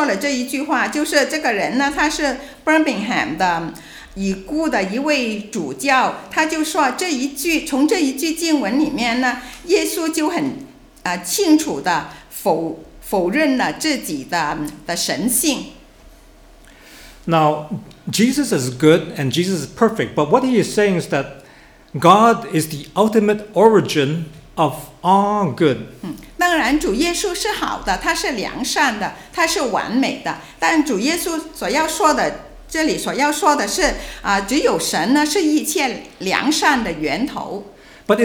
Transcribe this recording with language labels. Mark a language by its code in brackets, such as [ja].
[zh] 那这里在下面一行那些红色的字就说这句话，他说了这一句话，就是这个人呢，他是 Birmingham的已故的一位主教，他就说这一句，从这一句经文里面呢，耶稣就很清楚的否认了自己的神性。 [en] Now, Jesus is good and Jesus is perfect, but what he is saying is that God is the ultimate origin of all good. [zh] 当然主耶稣是好的，他是良善的，他是完美的，但主耶稣所要说的，这里所要说的是，只有神呢，是一切良善的源头。But